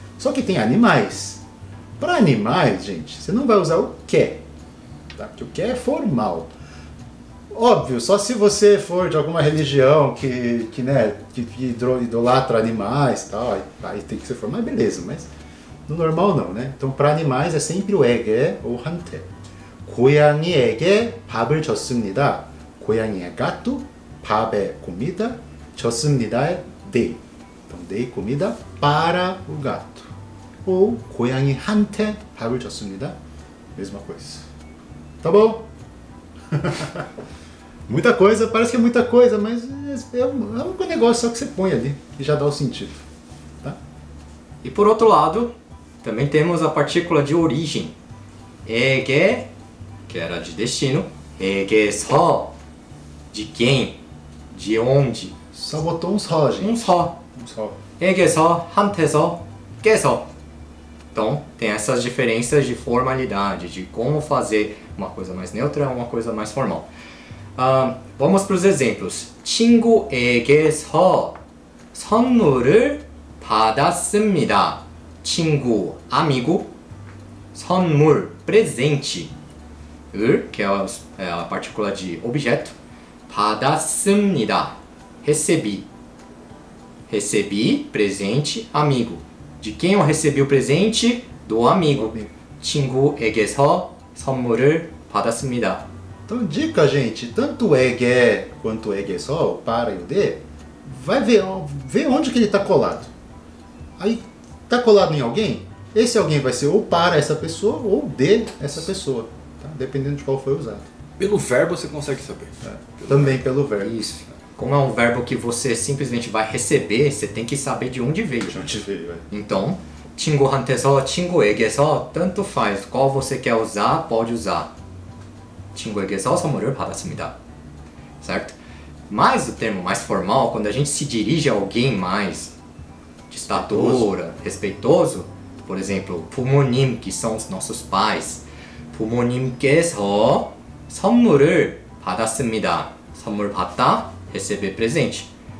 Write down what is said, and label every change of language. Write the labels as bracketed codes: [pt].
[pt] Só que tem animais. Pra animais, gente, você não vai usar o que. Tá? Porque o que é formal. Óbvio, só se você for de alguma religião que né, que idolatra animais e tal, aí tem que ser formado, mas beleza, mas no normal não, né? Então, para animais é sempre o ege ou hante. [ko] 고양이에게 밥을 줬습니다. 고양이가 또 밥에 [pt] comida [ko] 줬습니다. [pt] Dei. Então, dei comida para o gato. [ko] Ou 고양이한테 밥을 줬습니다. [pt] Mesma coisa. Tá bom? Muita coisa, parece que é muita coisa, mas é um negócio só que você põe ali e já dá o sentido, tá? E por outro lado, também temos a partícula de origem. Ege, que era de destino. Ege só, de quem, de onde. Só botou um só, gente. Um só. Ege só, hante só, que só. Então, tem essas diferenças de formalidade, de como fazer uma coisa mais neutra ou uma coisa mais formal. Vamos para os exemplos. [ko] 친구에게서 선물을 받았습니다. [pt] 친구, amigo. 선물, presente. 을, que é a partícula de objeto. 받았습니다. Recebi. Recebi, presente, amigo. De quem eu recebi o presente? Do amigo. [ko] 친구에게서 선물을 받았습니다. [pt] Então, dica, gente, tanto o ege quanto o ege só, o para e o de, vai ver, vê onde que ele está colado. Aí, está colado em alguém? Esse alguém vai ser ou para essa pessoa ou de essa pessoa, tá? Dependendo de qual foi usado. Pelo verbo você consegue saber. Também pelo verbo. Isso. Como é um verbo que você simplesmente vai receber, você tem que saber de onde veio. Então, 친구한테서, 친구에게서, tanto faz. Qual você quer usar, pode usar. [ko] 친구에게서 선물을 받았습니다. [pt] Certo? Mas o termo mais formal, quando a gente se dirige a alguém mais de estatura, respeitoso, por exemplo, 부모님, que são os nossos pais, [ko] 부모님께서 선물을 받았습니다. [pt] 선물 받다, receber presente.